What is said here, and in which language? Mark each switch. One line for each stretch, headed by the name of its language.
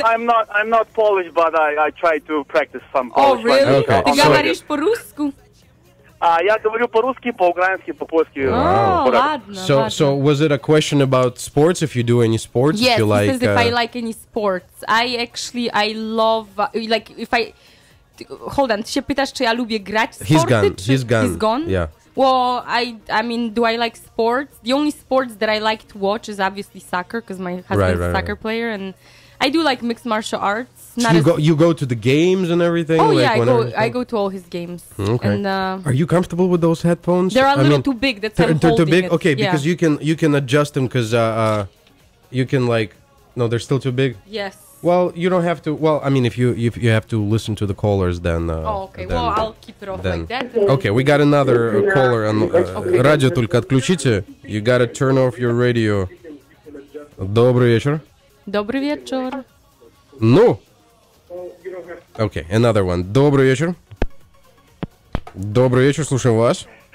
English: No, I'm not Polish, but I try to practice some Polish. Oh, really? Okay.
Russian: Ты говоришь по-русски? Я говорю по-русски, по-украински, по-польски.
English: Oh,
Russian: ладно.
English: So was it a question about sports, if you do any sports? Yes, if you like, because if I like any sports, I love, like, if I... Hold on,
Russian: ты ещё питаешь, что я люблю играть в спорты?
English: He's gone. Yeah. Well, I mean, do I like sports? The only sports that I like to watch is obviously soccer, because my husband is a soccer player, and I do like mixed martial arts. So you go to the games and everything? Oh, like, yeah, I go to all his games. Okay. And, are you comfortable with those headphones? They're a little too big. That's why I'm holding too big? It. Okay, because yeah. you can adjust them, because you can, like, no, they're still too big? Yes. Well, you don't have to. Well, I mean, if you have to listen to the callers, then... okay. Then, well, I'll keep it off then. Like that. Okay, we got another caller.
Russian: Радио только отключите.
English: You gotta turn off your radio.
Russian: Добрый вечер. Добрый вечер. Ну?
English: Okay, another one.
Russian: Добрый вечер. Добрый вечер, слушаем вас.